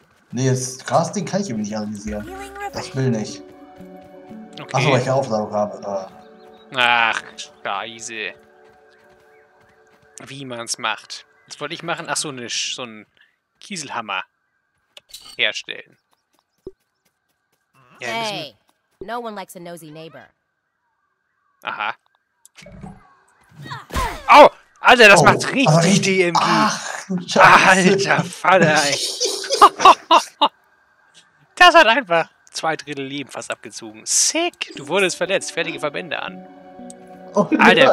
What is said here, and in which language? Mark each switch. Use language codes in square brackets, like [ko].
[de] Nee, das Grasding kann ich eben nicht analysieren. Das will nicht. Okay. Achso, welche Aufladung habe. Ach, Scheiße. Wie man's macht. Was wollte ich machen? Achso, so ein Kieselhammer herstellen. [en] Ja, hey, no one likes a nosy neighbor. [de] Aha. Oh, Alter, das macht richtig DMG. Ach, Alter, Vater. Das hat einfach zwei Drittel Leben fast abgezogen. Sick! Du wurdest verletzt. Fertige Verbände an. Oh, Alter, nein.